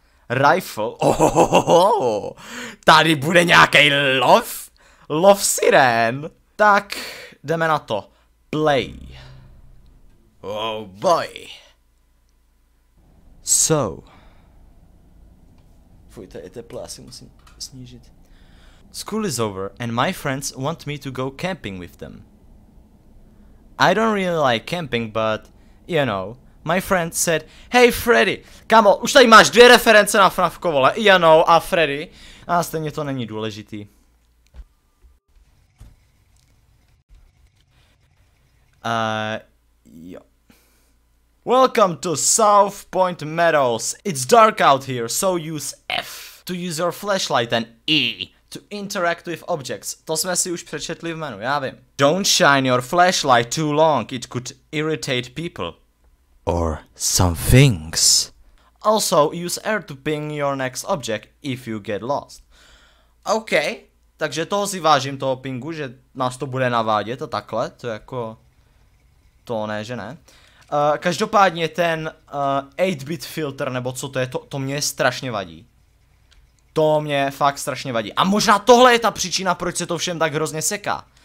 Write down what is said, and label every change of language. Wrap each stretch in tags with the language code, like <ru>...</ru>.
<cs>Rifle, ohohohoho. Tady bude nějaký lov? Lov sirén. Tak, jdeme na to. Play.</cs> <en>Oh boy. So.</en> <cs>Fuj, to je teplo, asi musím snížit.</cs> <en>School is over and my friends want me to go camping with them. I don't really like camping, but, you know, my friend said, hey Freddy,</en> <cs>kamo, už tady máš dvě reference na Fnafko, vole,</cs> <en>you know, a Freddy.</en> <cs>A stejně to není důležitý. Jo.</cs> <en>Welcome to South Point Meadows. It's dark out here, so use F to use your flashlight and E to interact with objects.</en> <cs>To jsme si už přečetli v menu, já vím.</cs> <en>Don't shine your flashlight too long, it could irritate people. Or some things. Also, use R to ping your next object if you get lost.</en> <cs>OK, takže toho si vážím, toho pingu, že nás to bude navádět a takhle, to jako... To ne, že ne. Každopádně ten 8-bit filter, nebo co to je, to mě strašně vadí. To mě fakt strašně vadí. A možná tohle je ta příčina, proč se to všem tak hrozně seká.</cs>